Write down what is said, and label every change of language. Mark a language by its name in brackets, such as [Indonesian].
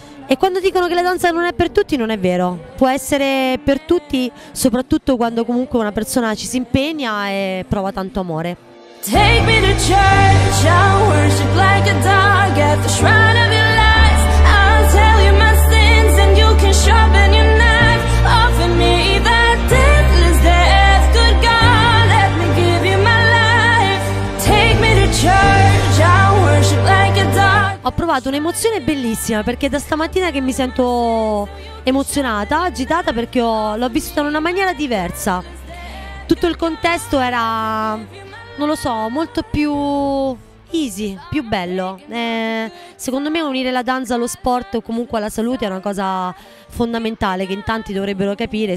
[Italian] E quando dicono che la danza non è per tutti, non è vero. Può essere per tutti, soprattutto quando comunque una persona ci si impegna e prova tanto amore. [English] Take me to church, I'll worship like a dog at the shrine of your lies. I'll tell you my sins and you can sharpen your knife. Offer me that deathless death, good God, let me give you my life. Take me to church, I'll worship like a dog. [Italian] Ho provato un'emozione bellissima, perché da stamattina che mi sento emozionata, agitata, perché l'ho vissuta in una maniera diversa. Tutto il contesto era, non lo so, molto più easy, più bello. Secondo me unire la danza allo sport o comunque alla salute è una cosa fondamentale che in tanti dovrebbero capire.